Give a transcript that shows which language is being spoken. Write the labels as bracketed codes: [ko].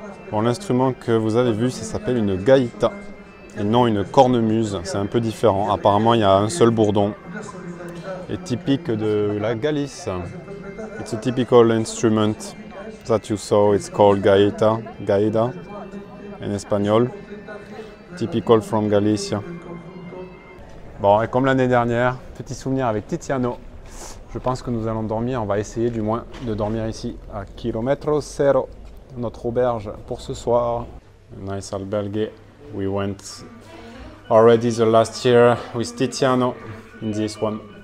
[fr] Bon, l'instrument que vous avez vu, ça s'appelle une gaïta, et non une cornemuse, c'est un peu différent. Apparemment, il y a un seul bourdon, et typique de la Galice. [en] It's a typical instrument that you saw, it's called gaïta, gaïda, [fr] en espagnol. [en] Typical from Galicia. [fr] Bon, et comme l'année dernière, petit souvenir avec Tiziano. Je pense que nous allons dormir, on va essayer du moins de dormir ici, à Kilometro Cero, notre auberge pour ce soir. [en] Nice albergue. We went already the last year with Tiziano in this one.